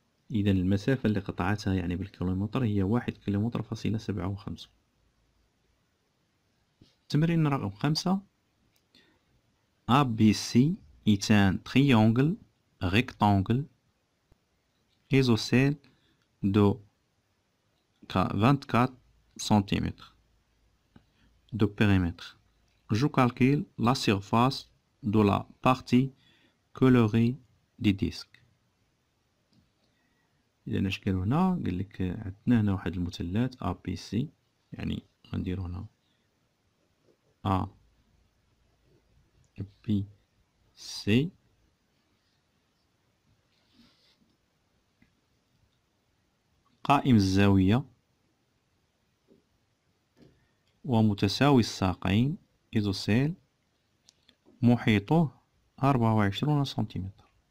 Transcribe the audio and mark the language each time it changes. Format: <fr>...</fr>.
<ar>إذا المسافة اللي قطعتها يعني بالكيلومتر هي 1.57 كيلومتر. التمرين رقم 5،</ar> <fr>ABC est un triangle rectangle isocèle de 24 cm de périmètre. Je calcule la surface de la partie colorée du disque.</fr> <ar>إذا نشكل هنا قال لك عندنا هنا واحد المثلث ABC يعني غندير هنا A B C قائم الزاوية ومتساوي الساقين إيزوسيل محيطه 24 سنتيمتر.</ar>